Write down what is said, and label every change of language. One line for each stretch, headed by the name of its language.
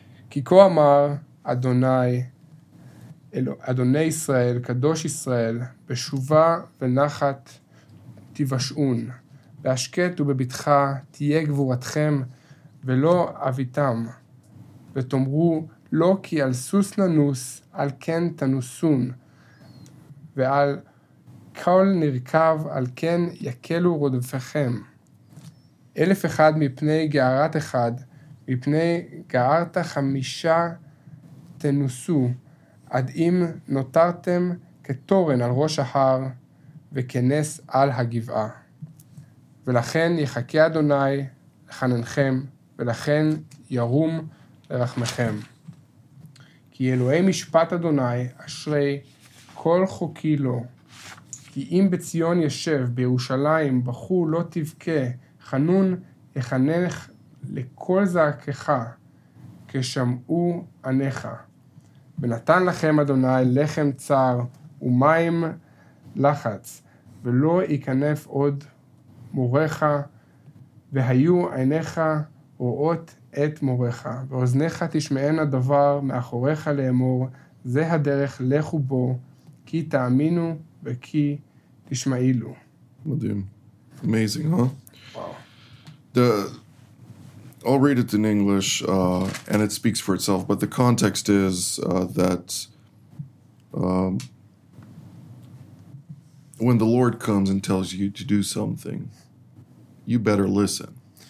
Hebrew: Ki ko amar Adonai, Adonai Israel, Kadosh Israel, Beshuva v'nachat tivashun, Be'ashket u'bebitcha tiyeh gvuratchem v'lo avitam, ותאמרו, לא כי על סוס ננוס, על כן תנוסון, ועל כל נרכב, על כן יקלו רודפיכם. אלף אחד מפני גערת אחד, מפני גערת חמישה תנוסו, עד אם נותרתם כתורן על ראש ההר, וכנס על הגבעה. ולכן יחכה אדוני לחננכם, ולכן ירום נרכב, לרחמכם. כי אלוהי משפט אדוני אשרי כל חוקי לו. כי אם בציון ישב בירושלים בחור לא תבכה, חנון יחנך לכל זעקך כשמעו עניך. ונתן לכם אדוני לחם צר ומים לחץ, ולא יכנף עוד מורך, והיו עיניך רואות את מורך, ואוזניך תשמען הדבר מאחוריך לאמור, זה הדרך לכו בו, כי תאמינו וכי תשמעילו. מדהים.
English: Amazing, huh? Wow. I'll read it in English, and it speaks for itself, but the context is that when the Lord comes and tells you to do something, you better listen.